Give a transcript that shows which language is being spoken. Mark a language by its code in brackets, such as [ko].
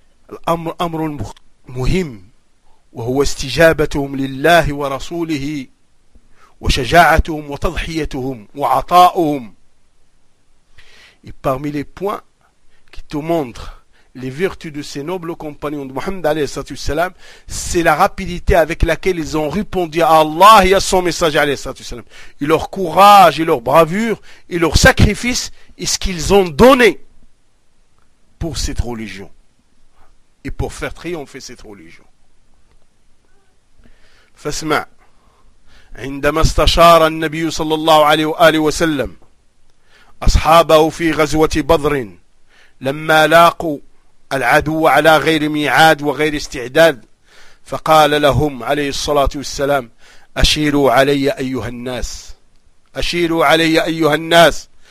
[ar] الأمر أمر مهم وهو استجابتهم لله ورسوله وشجاعتهم وتضحيتهم وعطاؤهم. [fr] Et parmi les points qui te montrent les vertus de ces nobles compagnons de Mohammed عليه الصلاة والسلام, c'est la rapidité avec laquelle ils ont répondu à Allah et à son messager عليه الصلاة والسلام. Et leur courage et leur bravure et leur sacrifice et ce qu'ils ont donné pour cette religion. Et pour faire triompher cette religion. [ar] Fasma' عندما استشار النبي صلى الله عليه وآله وسلم أصحابه في غزوة بدر لما لاقوا العدو على غير ميعاد وغير استعداد فقال لهم عليه الصلاة والسلام أشيروا علي أيها الناس أشيروا علي أيها الناس.